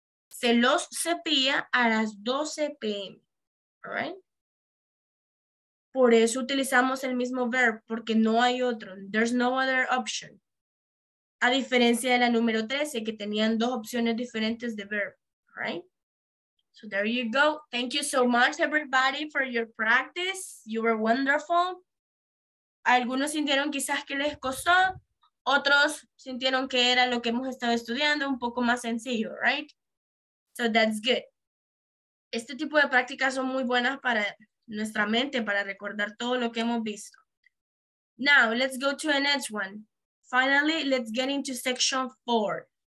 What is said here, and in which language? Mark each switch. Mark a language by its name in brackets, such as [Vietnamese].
[Spanish] Se los cepilla a las 12 p.m. [English] All right. [Spanish] Por eso utilizamos el mismo verbo, porque no hay otro. [English] There's no other option. [Spanish] A diferencia de la número 13, que tenían dos opciones diferentes de [English] verb, right? So there you go. Thank you so much, everybody, for your practice. You were wonderful. [Spanish] Algunos sintieron quizás que les costó. Otros sintieron que era lo que hemos estado estudiando, un poco más sencillo, [English] right? So that's good. [Spanish] Este tipo de prácticas son muy buenas para nuestra mente, para recordar todo lo que hemos visto. [English] Now, let's go to the next one. Finally, let's get into section 4.